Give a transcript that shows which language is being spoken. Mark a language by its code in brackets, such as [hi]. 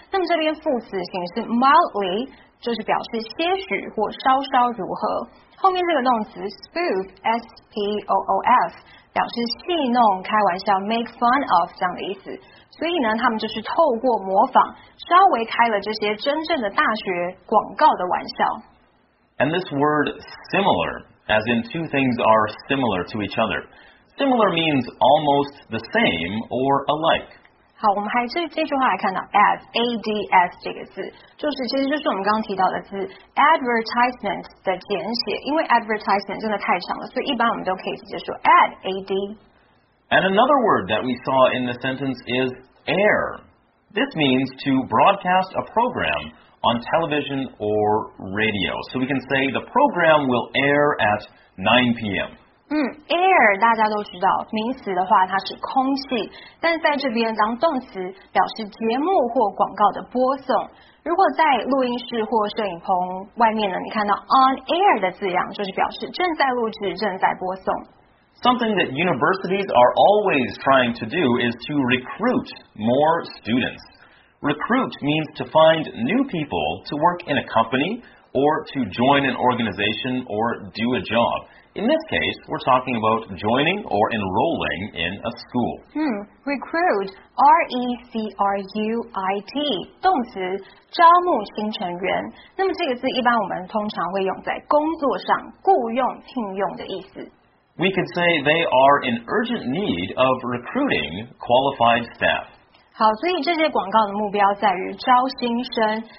[zh] 那么这边副词形式 mildly 就是表示些许或稍稍如何。后面这个动词 spoof s p o o f 表示戏弄、开玩笑 ， [en] make fun of [zh] 这样的意思。所以呢，他们就是透过模仿，稍微开了这些真正的大学广告的玩笑。 [en] And this word similar, as in two things are similar to each other. Similar means almost the same or alike. [zh] 好，我们还是这句话来看到 ads, A-D-S 这个字，就是其实就是我们刚刚提到的字 advertisement 的简写，因为 advertisement 真的太长了，所以一般我们都可以直接说 ad, A-D. [en] And another word that we saw in the sentence is air. This means to broadcast a program on television or radio. So we can say the program will air at 9 p.m. [zh] Air 大家都知道，名词的话它是空气，但在这边当动词表示节目或广告的播送。如果在录音室或摄影棚外面呢，你看到 on air 的字样，就是表示正在录制、正在播送。 [en] Something that universities are always trying to do is to recruit more students. Recruit means to find new people to work in a company or to join an organization or do a job. In this case, we're talking about joining or enrolling in a school. [zh] Recruit, R-E-C-R-U-I-T, 动词招募新成员。那么这个字一般我们通常会用在工作上，雇用、聘用的意思。 [en] We could say they are in urgent need of recruiting qualified staff. [zh] 好，所以这些广告的目标在于招新生。